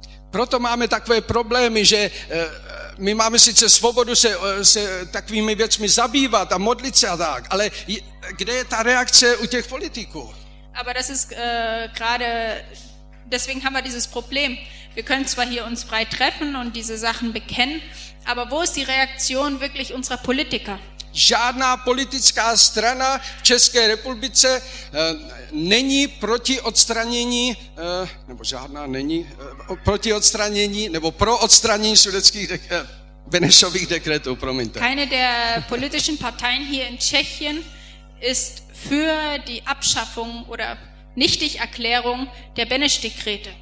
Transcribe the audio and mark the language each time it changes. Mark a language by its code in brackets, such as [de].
[cs] Proto máme takové problémy, že my máme sice svobodu se takovými věcmi zabývat a modlit se a tak, ale kde je ta reakce u těch politiků? [de] Aber das ist gerade deswegen haben wir dieses Problem. Wir können zwar hier uns frei treffen und diese Sachen bekennen, aber wo ist die Reaktion wirklich unserer Politiker? [cs] Žádná politická strana v České republice není proti odstranění, nebo žádná není proti odstranění, nebo pro odstranění sudeckých Benešových dekretů, promiňte. [de] Keine der politischen Parteien hier in Tschechien ist für die Abschaffung oder Nichtigerklärung der Beneš-Dekrete.